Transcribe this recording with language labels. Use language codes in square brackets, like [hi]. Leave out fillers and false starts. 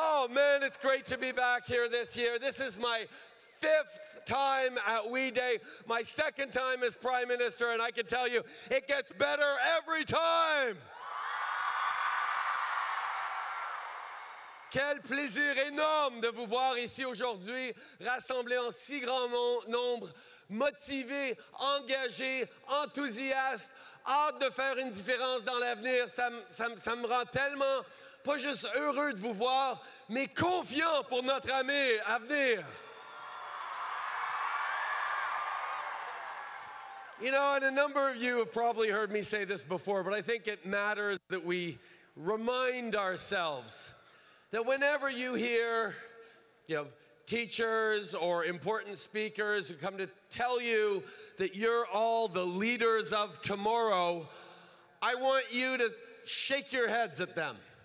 [en] man, it's great to be back here this year. This is my fifth time at We Day, my second time as Prime Minister, and I can tell you, it gets better every time. [fr] Quel plaisir énorme de vous voir ici aujourd'hui, rassemblés en si grand nombre, motivés, engagés, enthousiastes, hâte de faire une différence dans l'avenir. Ça me rend tellement, pas juste heureux de vous voir, mais confiant pour notre avenir. [en] You know, and a number of you have probably heard me say this before, but I think it matters that we remind ourselves that whenever you hear, you know, teachers or important speakers who come to tell you that you're all the leaders of tomorrow, I want you to shake your heads at them.